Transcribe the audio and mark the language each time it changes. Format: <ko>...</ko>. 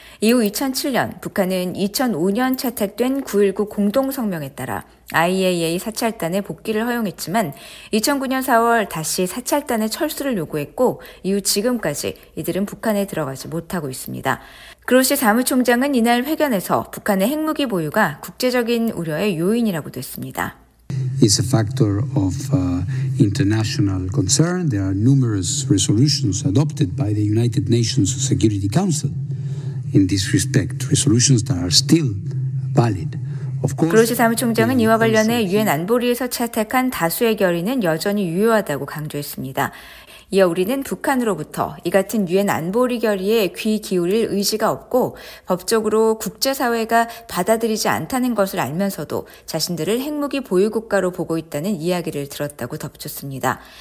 <ko>이후 2007년 북한은 2005년 채택된 9.19 공동성명에 따라 IAEA 사찰단의 복귀를 허용했지만 2009년 4월 다시 사찰단의 철수를 요구했고 이후 지금까지 이들은 북한에 들어가지 못하고 있습니다. 그로시 사무총장은 이날 회견에서 북한의 핵무기 보유가 국제적인 우려의 요인이라고도 했습니다.</ko> <en>It's a factor of international concern. There are numerous resolutions adopted by the United Nations Security Council in this respect. Resolutions that are still valid. Of course,</en> <ko>그로시 사무총장은 이와 관련해 유엔 안보리에서 채택한 다수의 결의는 여전히 유효하다고 강조했습니다. 이어 우리는 북한으로부터 이 같은 유엔 안보리 결의에 귀 기울일 의지가 없고 법적으로 국제사회가 받아들이지 않다는 것을 알면서도 자신들을 핵무기 보유국가로 보고 있다는 이야기를 들었다고 덧붙였습니다.</ko>